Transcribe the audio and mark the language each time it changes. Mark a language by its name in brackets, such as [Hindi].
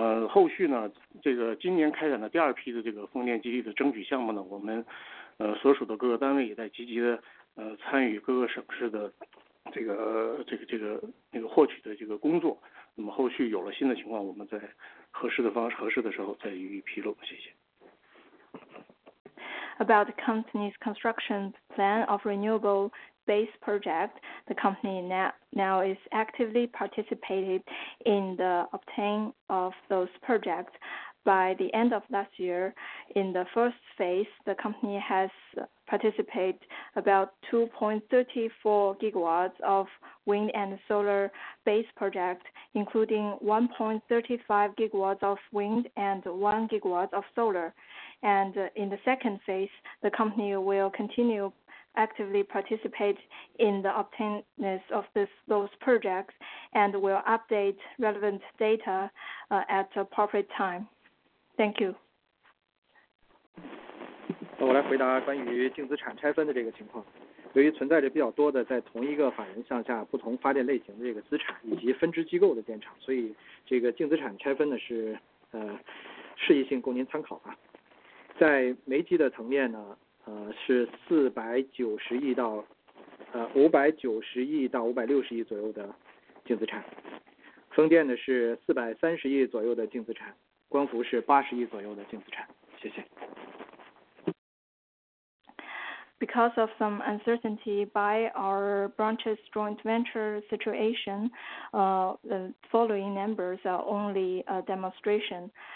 [Chinese] 后续呢，这个今年开展的第二批的这个风电基地的争取项目呢，我们所属的各个单位也在积极的参与各个省市的这个获取的这个工作。那么后续有了新的情况，我们在合适的方式、合适的时候再予以披露。谢谢。 [English] About the company's construction plan of renewable base project, the company now is actively participated in the obtaining of those projects. By the end of last year, in the first phase, the company has participated about 2.34 gigawatts of wind and solar base project, including 1.35 gigawatts of wind and 1 gigawatt of solar. And in the second phase, the company will continue actively participate in the obtainness of those projects and will update relevant data at appropriate time. Thank you. [Chinese] 那我来回答关于净资产拆分的这个情况。由于存在着比较多的在同一个法人项下不同发电类型的这个资产以及分支机构的电厂，所以这个净资产拆分呢是适宜性供您参考吧。在煤机的层面呢，是490亿到560亿左右的净资产，风电呢是430亿左右的净资产，光伏是80亿左右的净资产。谢谢。 [English] Because of some uncertainty by our branches joint venture situation, the following numbers are only a demonstration.